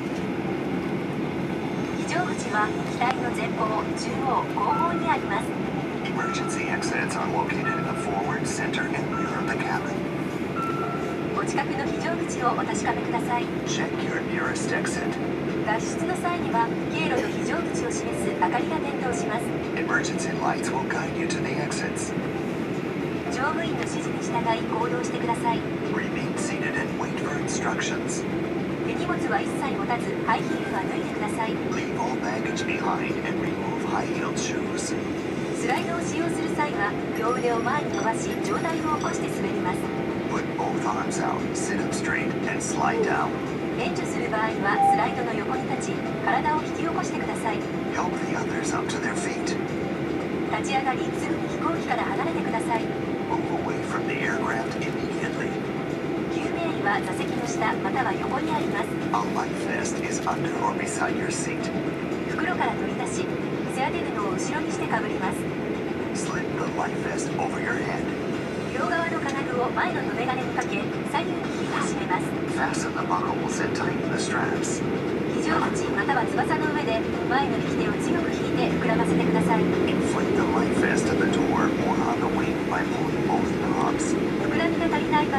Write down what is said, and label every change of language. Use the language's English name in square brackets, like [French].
[Japanese] 非常口は機体の前方、中央、後方にあります。 [English] Emergency exits are located in the forward, center, and rear of the cabin. [Japanese] お近くの非常口をお確かめください。 [English] Check your nearest exit. [Japanese] 脱出の際には経路の非常口を示す明かりが点灯します。 [English] Emergency lights will guide you to the exits. [Japanese] 乗務員の指示に従い行動してください。 [English] Remain seated and wait for instructions. [Japanese] 荷物は一切持たず、ハイヒールは脱いでください。 [English] Leave all baggage behind and remove high-heeled shoes. [Japanese] スライドを使用する際は、両腕を前に伸ばし、上体を起こして滑ります。 [English] Put both arms out, sit up straight, and slide down. [Japanese] 援助する場合は、スライドの横に立ち、体を引き起こしてください。 [English] Help the others up to their feet. [Japanese] 立ち上がり、すぐに飛行機から離れてください。 [English] Move away from the aircraft immediately. [Japanese] 座席の下または横にあります。 [English] A life vest is under or beside your seat. [Japanese] 袋から取り出し背当て布を後ろにしてかぶります。 [English] Slip the life vest over your head. [Japanese] 両側の金具を前の留め金にかけ左右に引き締めます。 [English] Fasten the buckles and tighten the straps. [Japanese] 非常口または翼の上で前の引き手を強く引いて膨らませてください。 [English] Inflate the life vest at the door or on the wing by pulling both knobs.